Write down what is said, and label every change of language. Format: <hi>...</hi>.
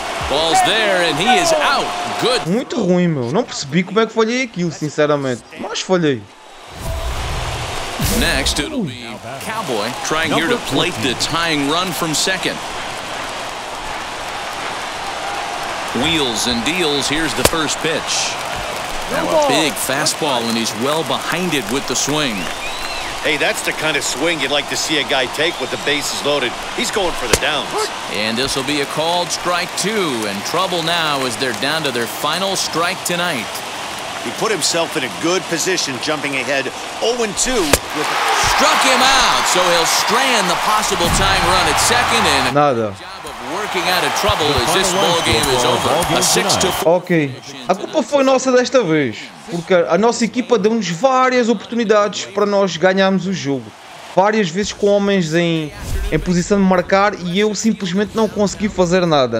<en>Ball's there and he is out. Good.</en> <pt>Muito ruim, meu. Não percebi como é que folhei aquilo, sinceramente. Mas folhei.</pt> <en>Next, it'll be Cowboy trying here to plate the tying run from second. Wheels and deals. Here's the first pitch. Big fastball, and he's well behind it with the swing. Hey, that's the kind of swing you'd like to see a guy take with the bases loaded. He's going for the downs. And this will be a called strike two, and trouble now as they're down to their final strike tonight. He put himself in a good position jumping ahead 0-2. With struck him out, so he'll strand the possible tying run at second. And</en> <pt>nada.</pt> <en>Job of working out of trouble as this ball game is over. A 6-4. Okay.</en> <pt>A culpa foi nossa desta vez, porque a nossa equipa deu-nos várias oportunidades para nós ganharmos o jogo. Várias vezes com homens em posição de marcar e eu simplesmente não consegui fazer nada.</pt>